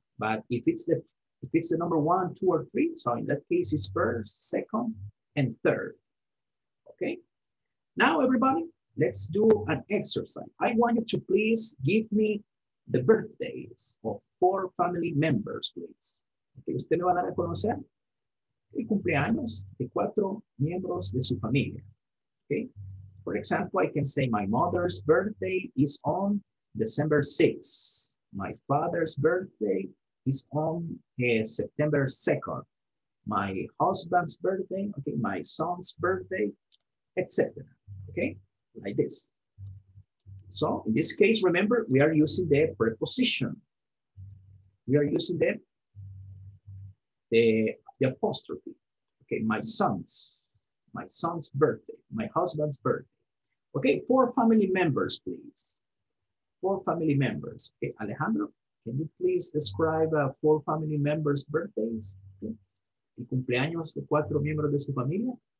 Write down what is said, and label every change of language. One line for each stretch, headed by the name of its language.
English: But if it's the number one, two, or three, so in that case it's first, second, and third. Okay, now everybody, let's do an exercise. I want you to please give me the birthdays of four family members, please.
Spanish: Que usted me va a dar a conocer el cumpleaños de cuatro miembros de su familia.
English: Okay. For example, I can say my mother's birthday is on December 6th. My father's birthday is on September 2nd. My husband's birthday, okay, my son's birthday, etc. Okay, like this. So in this case, remember, we are using the preposition. We are using the apostrophe. Okay, my son's birthday, my husband's birthday. Okay, four family members, please. Four family members. Okay, Alejandro, can you please describe four family members' birthdays? Okay.
Spanish: Y cumpleaños de cuatro miembros de su familia.